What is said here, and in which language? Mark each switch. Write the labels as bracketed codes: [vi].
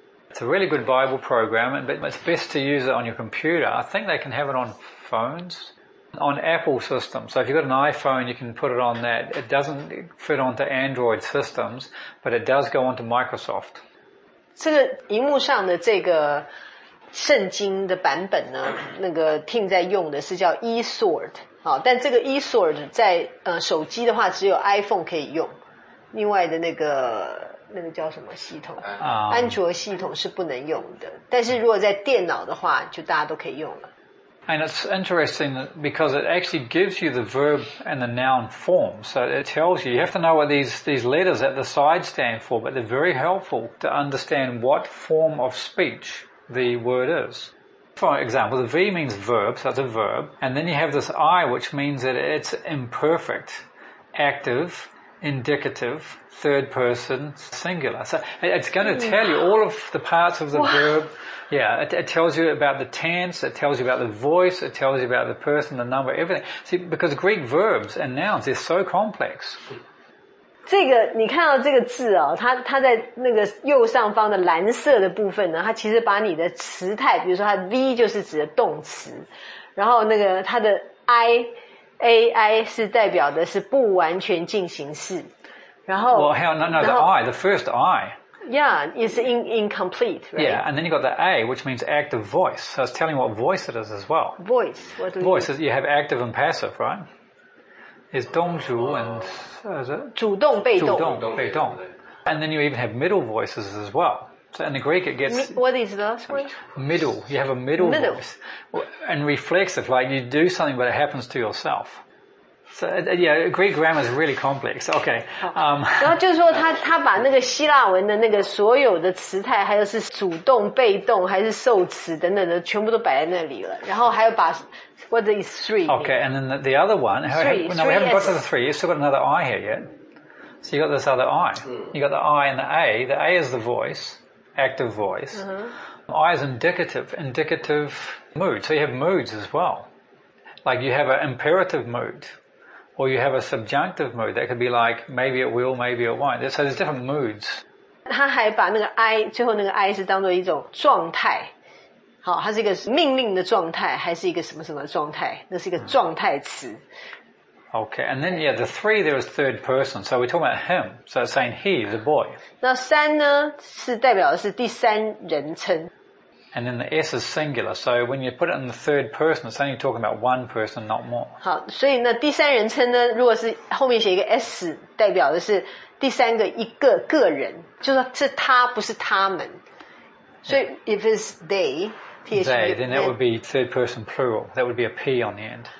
[en] It's a really good Bible program, but it's best to use it on your computer. I think they can have it on phones, on Apple systems. So if you've got an iPhone, you can put it on that. It doesn't fit onto Android systems, but it does go onto Microsoft. [zh] 这个荧幕上的这个圣经的版本呢，那个听在用的是叫 eSword。好，但这个 eSword 在手机的话只有 iPhone 可以用，另外的那个叫什么系统，安卓系统是不能用的。但是如果在电脑的话，就大家都可以用了。 [en] And it's interesting because it actually gives you the verb and the noun form, so it tells you. You have to know what these letters at the side stand for, but they're very helpful to understand what form of speech the word is. For example, the V means verb, so it's a verb. And then you have this I, which means that it's imperfect, active, indicative, third person, singular. So it's going to tell you all of the parts of the verb. Yeah, it tells you about the tense, it tells you about the voice, it tells you about the person, the number, everything. See, because Greek verbs and nouns, they're so complex. [zh] 这个你看到这个字哦，它在那个右上方的蓝色的部分呢，它其实把你的词态，比如说它 V 就是指的动词，然后那个它的 I A I 是代表的是不完全进行式，然后 [en] Well, hell, no, the I, the first I. Yeah, it's incomplete, right? Yeah, and then you got the A, which means active voice. So it's telling you what voice it is as well. Voice, what do you voice is you have active and passive, right? Is [zh] 动主 [en] and is it? [zh] 主动被动主动被动 [en] And then you even have middle voices as well. So in the Greek it gets... What is the last word? Middle. You have a middle voice. And reflexive, like you do something but it happens to yourself. So yeah, Greek grammar is really complex. Okay. [zh] 然后就是说他把那个希腊文的那个所有的词态还有是主动被动还是受词等等的全部都摆在那里了。然后还有把 [en] What is three? Okay, and then the other one. Three, no, we haven't got to the three. You've still got another I here yet. So you've got this other I. You've got the I and the A. The A is the voice, active voice. Uh-huh. I is indicative mood. So you have moods as well. Like you have an imperative mood or you have a subjunctive mood. That could be like maybe it will, maybe it won't. So there's different moods. [zh] 他还把那个 I, 最后那个 I 是当作一种状态。好，它是一个命令的状态，还是一个什么什么状态？那是一个状态词。 [en] Okay, and then yeah, the three there is third person, so we're talking about him. So it's saying he, the boy. [zh] 那三呢，是代表的是第三人称。 [en] And then the S is singular, so when you put it in the third person, it's only talking about one person, not more. [zh] 好，所以那第三人称呢，如果是后面写一个 S， 代表的是第三个一个个人，就说是他，不是他们。 [en] So if it's they, they, then that would be third person plural. That would be a P on the end.